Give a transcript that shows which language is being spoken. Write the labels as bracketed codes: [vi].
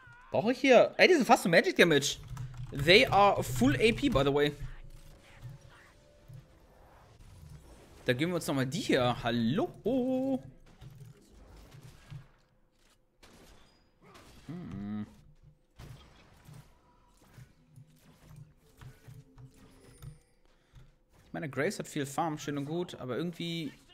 [de] Brauche ich hier. Ey, die sind fast so Magic Damage. [en] They are full AP, by the way. [de] Da geben wir uns nochmal die hier. Hallo. Ich meine, Grace hat viel Farm, schön und gut, aber irgendwie.